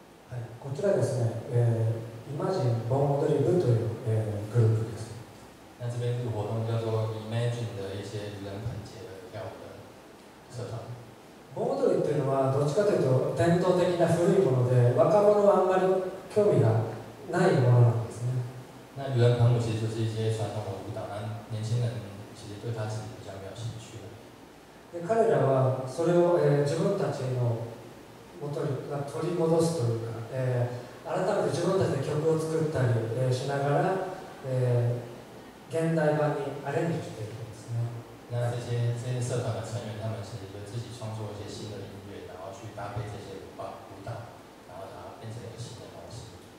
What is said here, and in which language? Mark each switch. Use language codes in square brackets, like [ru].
[ja] はい、こちらですね、Imagine 盆踊り部というグループです。 [zh] 那这边这个活动叫做 Imagine 的一些人盆节的跳舞的社团。 [ja] 盆踊りというのはどっちかというと伝統的な古いもので、若者はあんまり興味がないものなんですね。 [zh] 那盂兰盆舞其实就是一些传统的舞蹈，但年轻人其实对它是比较没有兴趣的。 [ja] で彼らはそれを、自分たちの元に取り戻すというか、改めて自分たちで曲を作ったり、しながら、現代版にアレンジしていくんですね。 [zh] 那这些社团的成员，他们其实就自己创作一些新的音乐，然后去搭配这些舞蹈，然后它变成一个新的东西。